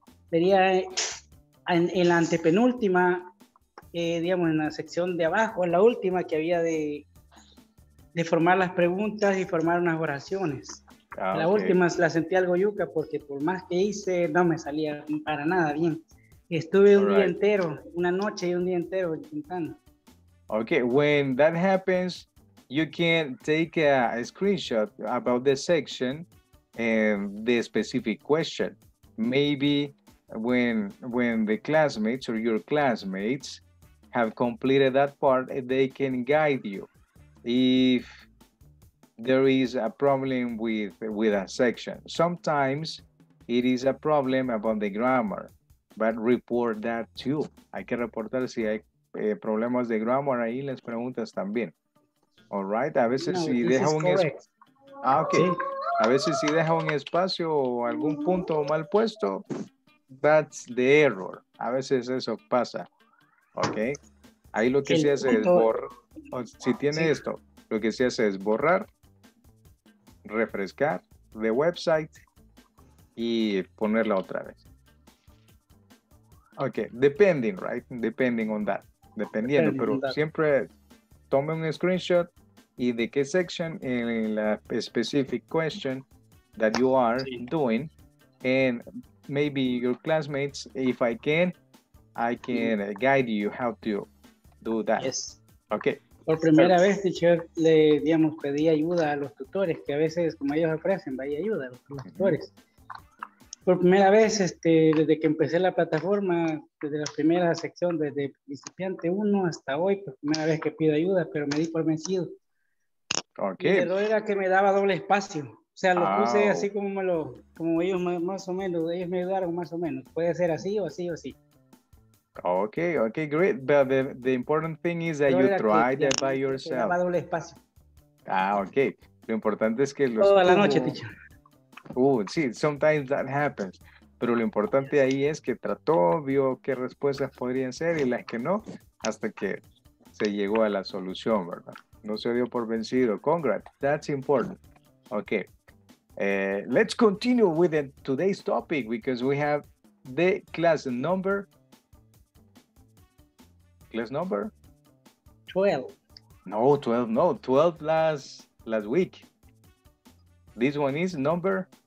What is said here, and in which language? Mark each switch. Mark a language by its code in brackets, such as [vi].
[es] Sería en la antepenúltima, digamos, en la sección de abajo, en la última que había de formar las preguntas y formar unas oraciones. Okay. La última la sentí algo yuca porque por más que hice, no me salía para nada bien. Estuve día entero, una noche y un día entero intentando. [en] Okay, when that happens, you can take a screenshot about the section and the specific question. Maybe when the classmates or your classmates have completed that part, they can guide you if there is a problem with a section. Sometimes it is a problem about the grammar, but report that too. [es] Hay que reportar si hay problemas de grammar ahí, las preguntas también. All right, a veces si deja un a veces si deja un espacio o algún punto mal puesto, [en] that's the error. [es] A veces eso pasa. Okay. Ahí lo que se hace es borrar. Si tiene esto, lo que se hace es borrar, refrescar [en] the website [es] y ponerla otra vez. [en] Okay, depending, right? Depending on that. [es] Dependiendo, pero siempre tome un screenshot. Y de qué section en la [en] specific question that you are doing, and maybe your classmates, if I can, guide you how to do that. Yes. Okay. [es] Por primera vez, teacher, le digamos, pedí ayuda a los tutores, que a veces, como ellos ofrecen, vaya ayuda a los tutores. Por primera vez, desde que empecé la plataforma, desde la primera sección, desde principiante 1 hasta hoy, por primera vez que pido ayuda, pero me di por vencido. [en] Okay. [es] Pero era que me daba doble espacio. O sea, lo puse así como me lo, como ellos más o menos, ellos me ayudaron más o menos. Puede ser así o así o así. [en] Okay, great. But the important thing is that you tried that by yourself. [es] Me daba doble espacio. Okay. Lo importante es que los toda la noche, teacher. [en] Sí, sometimes that happens. [es] Pero lo importante ahí es que trató, vio qué respuestas podrían ser y las que no, hasta que se llegó a la solución, ¿verdad? No se dio por vencido. [en] Congrats, that's important. Okay, let's continue with today's topic because we have the class number. Class number? 12. No, 12, no. 12 last week. This one is number?